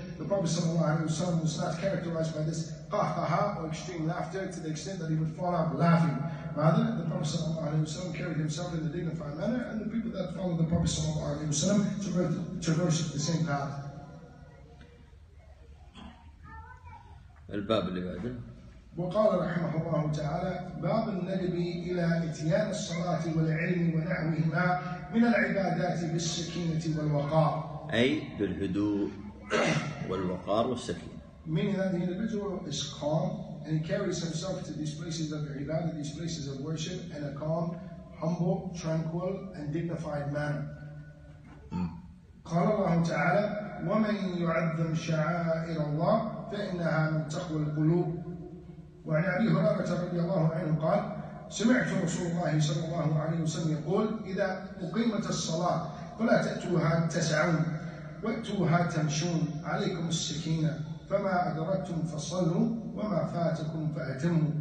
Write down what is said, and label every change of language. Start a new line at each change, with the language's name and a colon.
English: The Prophet ﷺ was not characterized by this qahqaha or extreme laughter to the extent that he would fall out laughing. Rather, the Prophet ﷺ carried himself in a dignified manner, and the people that followed the Prophet ﷺ traversed the same path.
Arabic: الباب اللي بعده. وقال رحمه الله تعالى باب الندب إلى إتيان الصلاة والعلم ونحوهما من العبادات بالسكينة والوقار, أي بالهدوء والوقار والسكينة.
English: Meaning that the individual is calm and he carries himself to these places of ibadah, these places of worship, in a calm, humble, tranquil and dignified manner.
Arabic: قال الله تعالى ومن يعظم شعائر الله فإنها من تقوى القلوب. وعن أبي هريرة رضي الله عنه قال سمعت رسول الله صلى الله عليه وسلم يقول إذا أقيمت الصلاة فلا تأتوها تسعون وأتوها تمشون عليكم السكينة فما أدركتم فصلوا وما فاتكم فأتموا.